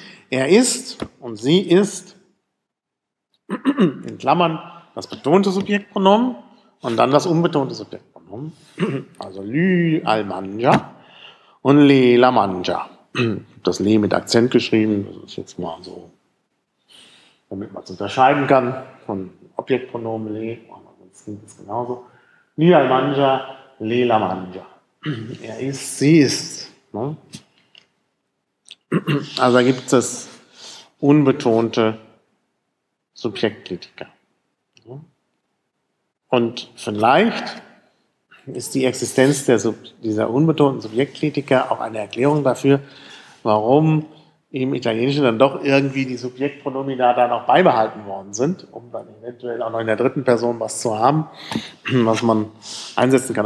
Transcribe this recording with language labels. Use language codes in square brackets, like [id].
[de] Er ist und sie ist, in Klammern, das betonte Subjektpronomen und dann das unbetonte Subjektpronomen. Also [it] lui al mangia [de] und [it] le la mangia. [de] Das le mit Akzent geschrieben, das ist jetzt mal so, damit man es unterscheiden kann von Objektpronomen le, sonst klingt es genauso. [it] Lui al mangia, le la mangia. [de] Er ist, sie ist. Ne? Also da gibt es unbetonte Subjektglieder. Und vielleicht ist die Existenz dieser unbetonten Subjektglieder auch eine Erklärung dafür, warum im Italienischen dann doch irgendwie die Subjektpronomina da noch beibehalten worden sind, um dann eventuell auch noch in der dritten Person was zu haben, was man einsetzen kann.